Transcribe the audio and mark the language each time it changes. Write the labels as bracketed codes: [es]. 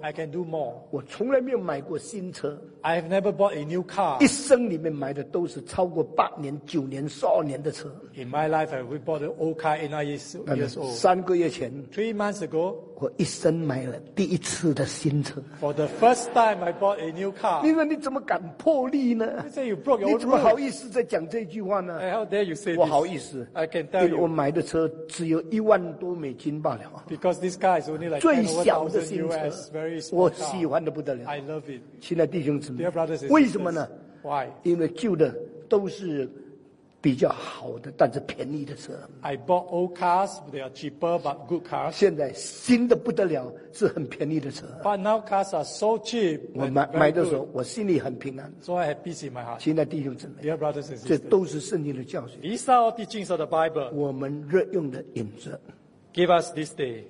[en] ，I can do more. [zh] 我从来没有买过新车 [en] ，I have never bought a new car. [zh] 一生里面买的都是超过8年、9年、12年的车。 [en] In my life, I we bought an old car, 8 years old. [zh] 3个月前 [en] 3 months ago, [zh] 我一生买了第一次的新车。 [en] For the first time, I bought a new car. [zh] 你说你怎么敢破例呢 [en] ？You say you broke your rule. [zh] 你怎么好意思在讲这句话呢 [en] ？How dare you say this? [zh] 我好意思。 [en] I can tell you. [zh] 因为我买的车只有10,000多美金罢了。 [en] Because this car is only like [zh] 最小的新车 [en] US, very small car. [zh] 我喜欢的不得了。 [en] I love it. [zh] 亲爱弟兄姊妹 [en] ，Dear brothers, [zh] 为什么呢 [en] ？Why? [zh] 因为旧的都是。比较好的，但是便宜的车。 [en] I bought old cars, they are cheaper but good cars. [zh] 现在新的不得了，是很便宜的车。 [en] But now cars are so cheap. [zh] 我买的时候，我心里很平安。 [en] So I have peace in my heart. [zh] 亲爱弟兄姊妹 [en] ，Dear brothers and sisters, [zh] 这都是圣经的教训。 [en] These are all teachings of the Bible. [zh] 我们日用的饮食。 [en] Give us this day.